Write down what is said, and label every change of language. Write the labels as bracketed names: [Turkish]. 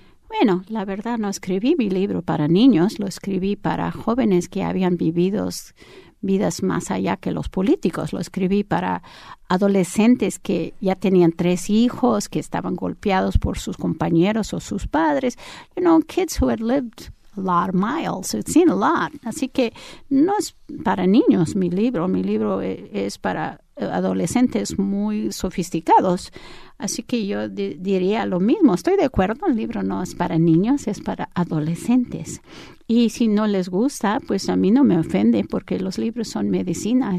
[Spanish] Bueno, la verdad, no escribí mi libro para niños, lo escribí para jóvenes que habían vivido vidas más allá que los políticos. Lo escribí para adolescentes que ya tenían 3 hijos, que estaban golpeados por sus compañeros o sus padres. [English] You know, kids who had lived a lot of miles, it's seen a lot. [Spanish] Así que no es para niños mi libro. Mi libro es para adolescentes muy sofisticados. Así que yo diría lo mismo. Estoy de acuerdo, el libro no es para niños, es para adolescentes. Y si no les gusta, pues a mí no me ofende, porque los libros son medicina.